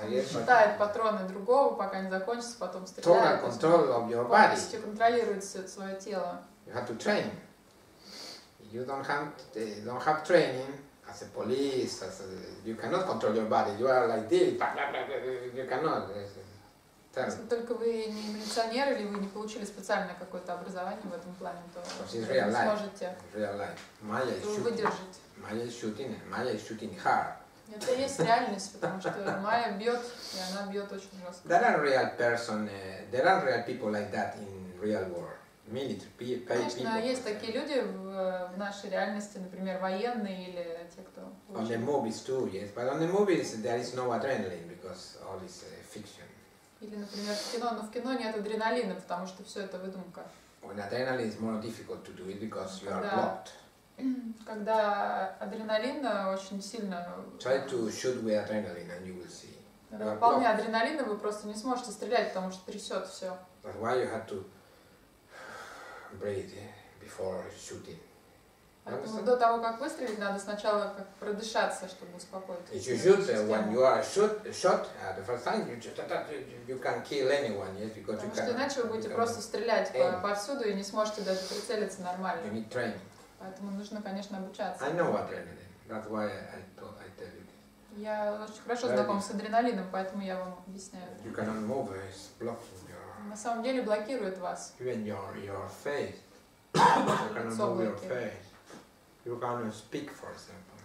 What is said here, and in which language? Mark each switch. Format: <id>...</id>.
<ru>Считает патроны другого, пока не закончится, потом стреляет.</ru> <en>Total control of your body.</en> <ru>Полностью контролирует свое тело.</ru> <en>You have to train. You don't have training as a police, as a, you cannot control your body. You are like this. You cannot.</en> <ru>Если только вы не милиционер или вы не получили специальное какое-то образование в этом плане, то вы не сможете.</ru> <en>Real life. Maya is shooting.</en> <ru>Выдержите.</ru> <en>Maya is shooting hard.</en> <ru>Это есть реальность, потому что Майя бьет, и она бьет очень жестко.</ru> <en>There are real person, there are real people like that in real world. Military people.</en> <ru>Конечно, есть такие люди в нашей реальности, например, военные или те, кто.</ru> <en>On the movies too, yes, but on the movies there is no adrenaline because all is fiction.</en> <ru>Или, например, в кино, но в кино нет адреналина, потому что все это выдумка.</ru> <en>When adrenaline is more difficult to do it because you are blocked.</en> <ru>Когда адреналин очень сильно.</ru> <en>Try to shoot with adrenaline and you will see.</en> <ru>Вполне адреналина вы просто не сможете стрелять, потому что трясет все.</ru> <en>But why you have to breathe before shooting?</en> <ru>Поэтому до того, как выстрелить, надо сначала как продышаться, чтобы успокоиться.</ru> <en>If you shoot when you are shot the first time, you can kill anyone, yes, because you can.</en> <ru>Потому что иначе вы будете просто стрелять повсюду и не сможете даже прицелиться нормально.</ru> <en>You need training.</en> <ru>Поэтому нужно, конечно, обучаться.</ru> <en>I know adrenaline. That's why I tell you this.</en> <ru>Я очень хорошо знаком с адреналином, поэтому я вам объясняю.</ru> <en>You cannot move, it's blocking your.</en> <ru>На самом деле блокирует вас.</ru> <en>Even your face. You cannot move your face. You cannot speak, for example.</en>